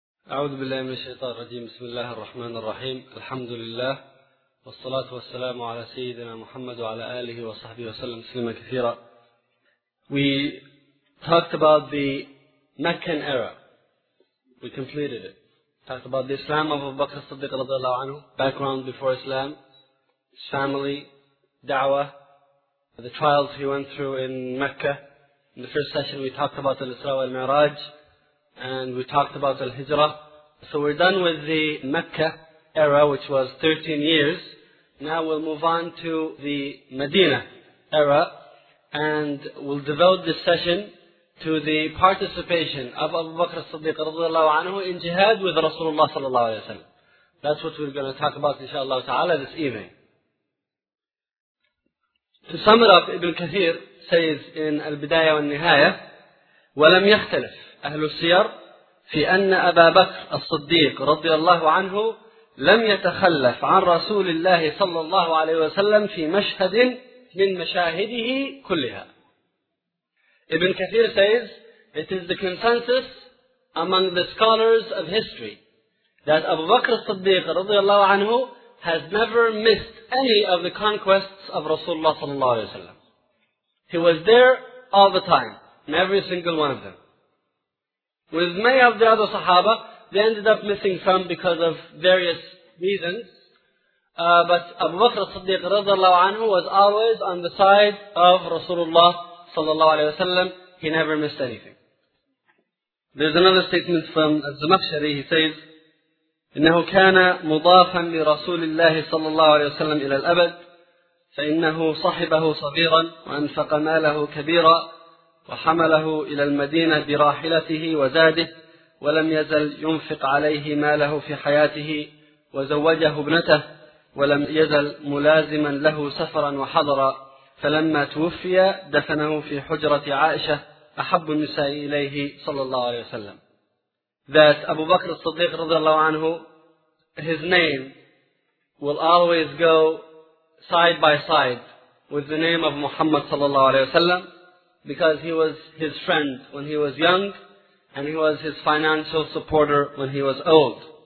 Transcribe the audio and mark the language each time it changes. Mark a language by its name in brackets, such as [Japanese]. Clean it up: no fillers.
[Arabic] أعوذ بالله من الشيطان الرجيم. بسم الله الرحمن الرحيم. الحمد لله والصلاة والسلام على سيدنا محمد وعلى آله وصحبه وسلم تسليما كثيرا. [English] We talked about the Meccan era. We completed it. Talked about the Islam of Abu Bakr as-Siddiq رضي الله عنه. Background before Islam. His family. Da'wah. The trials he went through in Mecca. In the first session we talked about al-Isra wa al-Mi'raj. And we talked about al-Hijrah. So we're done with the Mecca era, which was 13 years. Now we'll move on to the Medina era. And we'll devote this session to the participation of Abu Bakr as-Siddiq radiallahu anhu in jihad with Rasulullah sallallahu alayhi wa sallam. That's what we're going to talk about inshaAllah ta'ala this evening. To sum it up, Ibn Kathir says in Al-Bidaya wa Al-Nihaya, [Arabic] وَلَمْ يَخْتَلِفْ أَهْلُ السِّيَرِ فِي أَنَّ أَبَا بَكْرَ الصِّدِّيقِ رضي الله عنه لَمْ يَتَخَلَّفْ عَنْ رَسُولِ اللَّهِ صَلَّى اللَّهُ عَلَيْهِ وَسَلَّمْ فِي مَشْهَدٍ مِنْ مَشَاهِدِهِ كُلِّهَا. [English] Ibn Kathir says, it is the consensus among the scholars of history that Abu Bakr al-Siddiq رضي الله عنه has never missed any of the conquests of Rasulullah صلى الله عليه وسلم. He was there all the time, in every single one of them. With many of the other Sahaba, they ended up missing some because of various reasons. But Abu Bakr as-Siddiq radiallahu anhu was always on the side of Rasulullah sallallahu alayhi wa sallam. He never missed anything. There's another statement from Az-Zamakhshari. He says, [Arabic] إِنَّهُ كَانَ مُضَافًا لِرَسُولِ اللَّهِ صَلَّى اللَّهُ عَلَيْهِ وَسَلَّمْ إِلَى الْأَبَدِ فَإِنَّهُ صَحِبَهُ صَغِيرًا وَأَنْفَقَ مَالَهُ كَبِيرًا وحمله إلى المدينة براحلته وزاده ولم يزل ينفق عليه ماله في حياته وزوجه ابنته ولم يزل ملازما له سفرا وحضرا فلما توفي دفنه في حجرة عائشة أحب النساء إليه صلى الله عليه وسلم. [English] That Abu Bakr as-Siddiq رضي الله عنه, his name will always go side by side with the name of Muhammad صلى الله عليه وسلم. Because he was his friend when he was young, and he was his financial supporter when he was old.